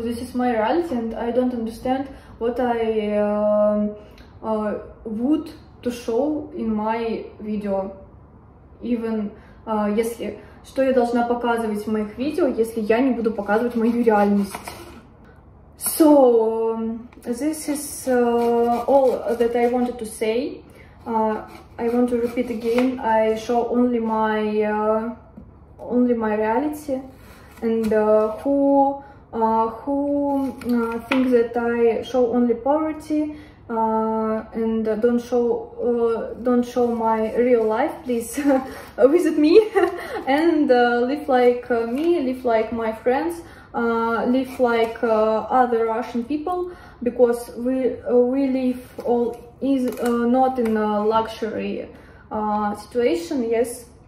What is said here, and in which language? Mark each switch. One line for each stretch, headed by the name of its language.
English: This is my reality, and I don't understand what I would to show in my video. Even
Russian: если что я должна показывать в моих видео, если я не буду показывать мою реальность.
English: So this is all that I wanted to say. I want to repeat again. I show only my reality. And who think that I show only poverty and don't show my real life, please visit me and live like me, live like my friends, live like other Russian people, because we live all is not in a luxury situation, yes,